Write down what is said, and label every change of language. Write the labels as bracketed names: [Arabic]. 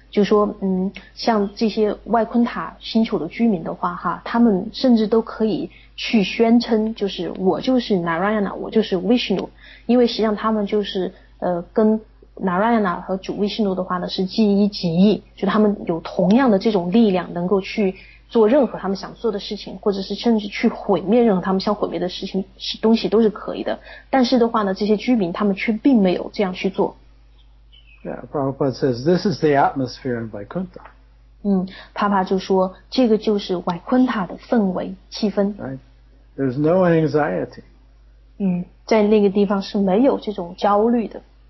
[Chinese] 就说嗯，像这些外昆塔星球的居民的话哈，他们甚至都可以去宣称，就是我就是 Narayana， 我就是 Vishnu， 因为实际上他们就是跟 Narayana 和主 Vishnu 的话呢是即一即一，就他们有同样的这种力量，能够去做任何他们想做的事情，或者是甚至去毁灭任何他们想毁灭的事情东西都是可以的。但是的话呢，这些居民他们却并没有这样去做。 [English] Yeah, Prabhupada says this is the atmosphere in Vaikuntha. [Chinese] 嗯，帕帕就说这个就是维昆塔的氛围气氛。 [English] Right, there's no anxiety. [Chinese] 嗯，在那个地方是没有这种焦虑的。